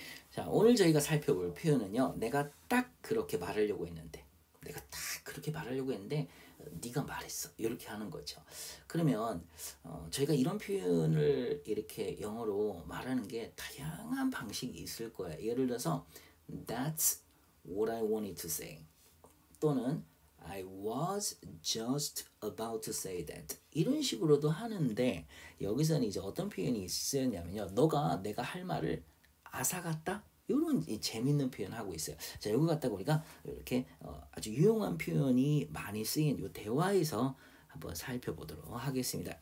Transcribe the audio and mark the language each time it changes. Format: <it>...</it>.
<ko>자, 오늘 저희가 살펴볼 표현은요. 내가 딱 그렇게 말하려고 했는데, 내가 딱 그렇게 말하려고 했는데 네가 말했어. 이렇게 하는 거죠. 그러면 저희가 이런 표현을 이렇게 영어로 말하는 게 다양한 방식이 있을 거예요. 예를 들어서</ko> <en>That's what I wanted to say.</en> <ko>또는</ko> <en>I was just about to say that.</en> <ko>이런 식으로도 하는데 여기서는 이제 어떤 표현이 있었냐면요. 너가 내가 할 말을 아사갔다? 이런 재밌는 표현하고 있어요. 자, 여기 갖다가 우리가 이렇게 아주 유용한 표현이 많이 쓰인 요 대화에서 한번 살펴보도록 하겠습니다.</ko>